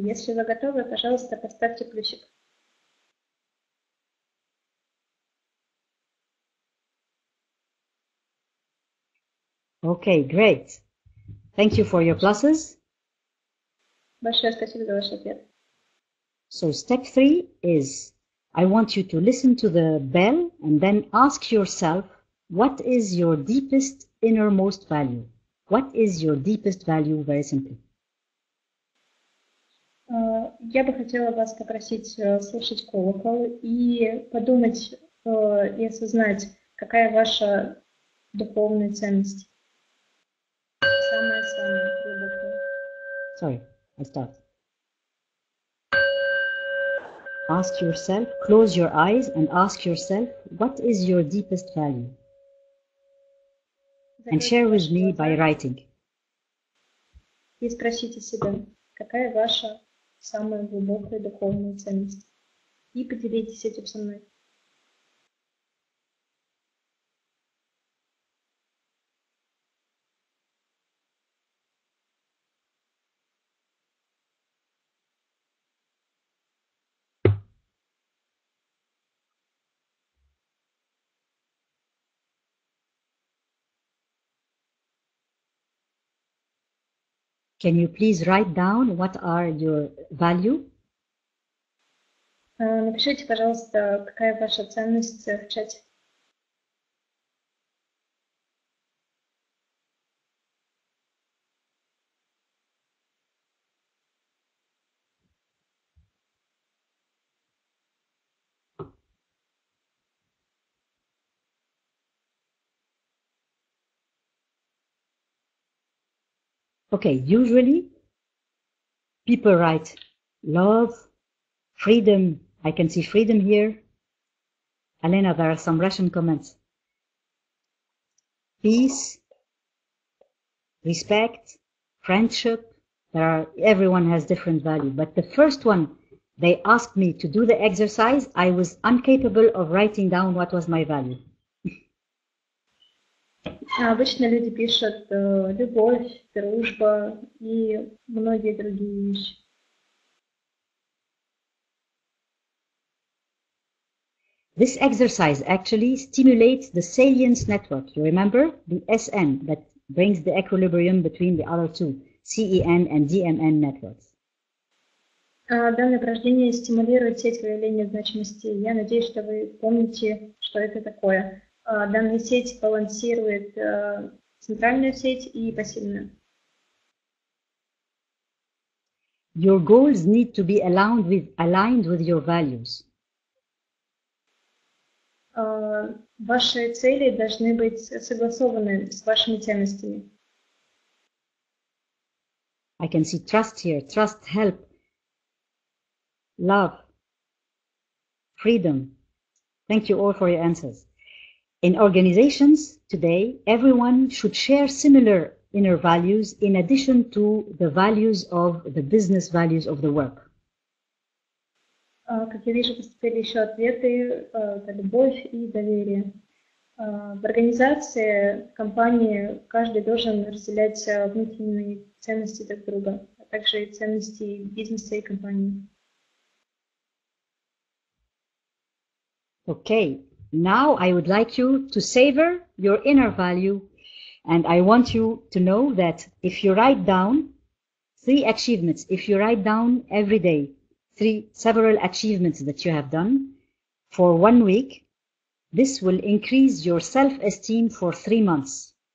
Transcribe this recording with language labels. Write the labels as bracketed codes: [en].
[ru] Если вы готовы, пожалуйста, поставьте плюсик. [en] Okay, great. Thank you for your pluses. [ru] Большое спасибо за ваш ответ. [en] So step 3 is I want you to listen to the bell and then ask yourself, what is your deepest innermost value? What is your deepest value, very simply? [ru] Я бы хотела вас попросить слушать колокол и подумать и осознать, какая ваша духовная ценность. Самая-самая глубокая. [en] Sorry, I start. Ask yourself, close your eyes and ask yourself, what is your deepest value? And share with me by writing. [ru] И спросите себя, какая ваша самая глубокая духовная ценность. И поделитесь этим со мной. [en] Can you please write down what are your value? [ru] Напишите, пожалуйста, какая ваша ценность в чате. [en] Okay, usually people write love, freedom. I can see freedom here. Elena, there are some Russian comments. Peace, respect, friendship. Everyone has different value. But the first one, they asked me to do the exercise. I was incapable of writing down what was my value. [ru] Обычно люди пишут любовь, дружба и многие другие вещи. [en] This exercise actually stimulates the salience network. You remember the SN that brings the equilibrium between the other two, CEN and DMN networks. [ru] Данное упражнение стимулирует сеть проявления значимости. Я надеюсь, что вы помните, что это такое. Данная сеть балансирует центральную сеть и пассивную. [en] Your goals need to be aligned with your values. [ru] Ваши цели должны быть согласованы с вашими ценностями. [en] I can see trust here. Trust, help, love, freedom. Thank you all for your answers. In organizations today, everyone should share similar inner values in addition to the values of the business values of the work. [ru] Как я вижу, поступили еще ответы, любовь и доверие. В организации, в компании каждый должен разделять внутренние ценности друг друга, а также ценности бизнеса и компании. [en] Okay, now I would like you to savor your inner value, and I want you to know that if you write down three achievements, if you write down every day several achievements that you have done for 1 week, this will increase your self-esteem for 3 months.